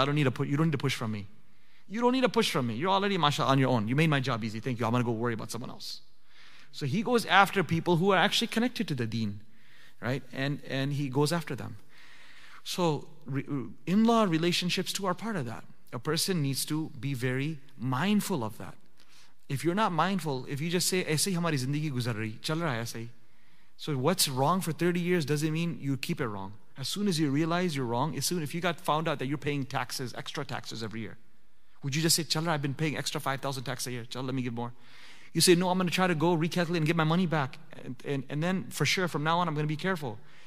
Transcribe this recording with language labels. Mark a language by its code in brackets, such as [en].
[en] You don't need to push from me. You're already, mashallah, on your own. You made my job easy. Thank you. I'm going to go worry about someone else. So he goes after people who are actually connected to the deen. Right? And he goes after them. So in-law relationships too are part of that. A person needs to be very mindful of that. If you're not mindful, if you just say, [ur] ایسے ہی ہماری زندگی گزر رہی, چل رہا ہے ایسے ہی. [en] So what's wrong for 30 years doesn't mean you keep it wrong. As soon as you realize you're wrong, as soon if you got found out that you're paying taxes, extra taxes every year, would you just say, [ur] chal raha, [en] I've been paying extra 5,000 tax a year, chal, let me give more. You say, no, I'm going to try to go recalculate and get my money back. And then for sure, from now on, I'm going to be careful.